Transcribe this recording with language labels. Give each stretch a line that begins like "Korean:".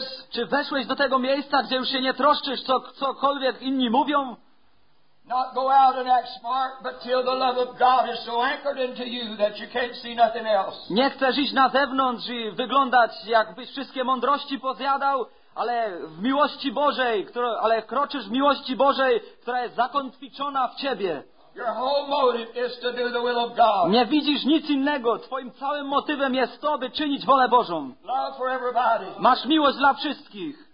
Polish: Czy weszłeś do tego miejsca, gdzie już się nie troszczysz, co cokolwiek inni mówią?
English: Not go out and act smart, but till the love of God is so anchored into you that you can't see nothing else.
Polish: Nie chcesz iść na zewnątrz i wyglądać, jakbyś wszystkie mądrości pozjadał. Ale w miłości Bożej, ale kroczysz w miłości Bożej, która jest zakotwiczona w ciebie.
English: Your whole motive is to do the will of God.
Polish: Nie widzisz nic innego. Twoim całym motywem jest to, by czynić wolę Bożą.
English: Love for everybody.
Polish: Masz miłość dla wszystkich.